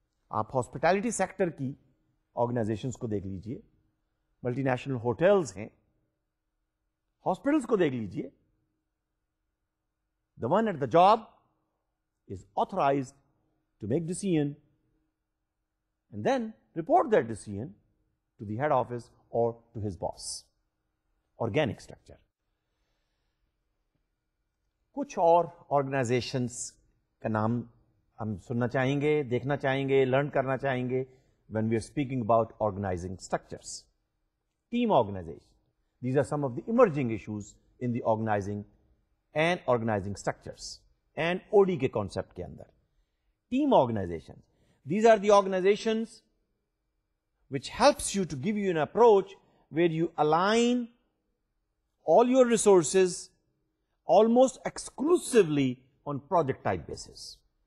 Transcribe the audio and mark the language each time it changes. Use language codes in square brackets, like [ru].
[ur] Aap hospitality sector ki organizations ko dekh lijiye, [en] multinational hotels hain, hospitals ko dekh lijiye, the one at the job is authorized to make decision and then report that decision to the head office or to his boss. Organic structure. [ur] کچھ اور organisations کا نام ہم سننا چاہیں گے, دیکھنا چاہیں گے, لرن کرنا چاہیں گے. [en] When we are speaking about organizing structures, team organization, these are some of the emerging issues in the organizing and organizing structures and OD [ur] کے concept کے اندر. [en] Team organization, these are the organizations which helps you to give you an approach where you align all your resources almost exclusively on project type basis.